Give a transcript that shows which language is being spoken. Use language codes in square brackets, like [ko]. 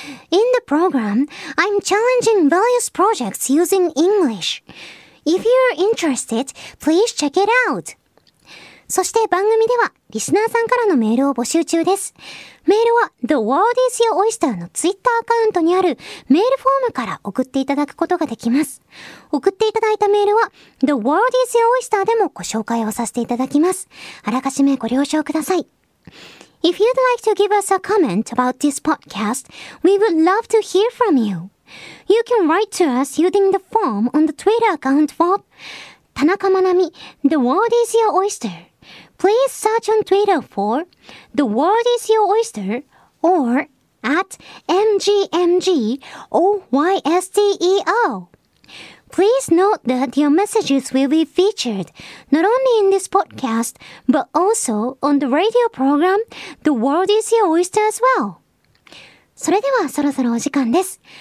[en] In the program, I'm challenging various projects using English. If you're interested, please check it out. [ja] そして番組ではリスナーさんからのメールを募集中です。メールは The World is Your Oyster の Twitter アカウントにあるメールフォームから送っていただくことができます。送っていただいたメールは The World is Your Oyster でもご紹介をさせていただきます。あらかじめご了承ください。 [en] If you'd like to give us a comment about this podcast, we would love to hear from you. You can write to us using the form on the Twitter account for 田中まなみ The World is Your Oyster. Please search on Twitter for The World is Your Oyster or at MGMGOYSTER. Please note that your messages will be featured not only in this podcast, but also on the radio program The World is Your Oyster as well. [ja] それではそろそろお時間です。